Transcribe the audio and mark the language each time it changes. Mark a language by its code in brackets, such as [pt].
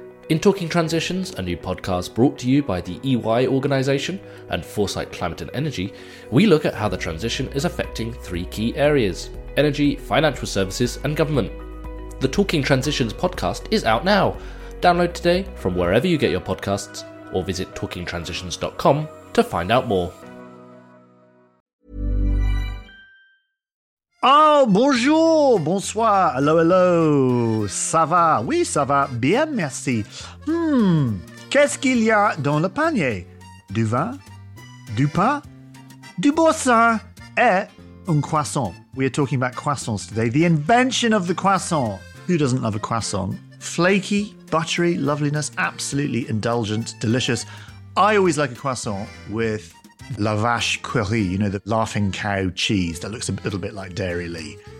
[en] In Talking Transitions, a new podcast brought to you by the EY organization and Foresight Climate and Energy, we look at how the transition is affecting three key areas: energy, financial services, and government. The Talking Transitions podcast is out now. Download today from wherever you get your podcasts or visit talkingtransitions.com to find out more. [fr] Oh, bonjour, bonsoir, [en] hello, hello, [fr] ça va? Oui, ça va, bien, merci. Qu'est-ce qu'il y a dans le panier? Du vin, du pain, du boursin et un croissant. [en] We are talking about croissants today. The invention of the croissant. Who doesn't love a croissant? Flaky, buttery, loveliness, absolutely indulgent, delicious. I always like a croissant with la vache query, you know, the laughing cow cheese that looks a little bit like Dairy Lee.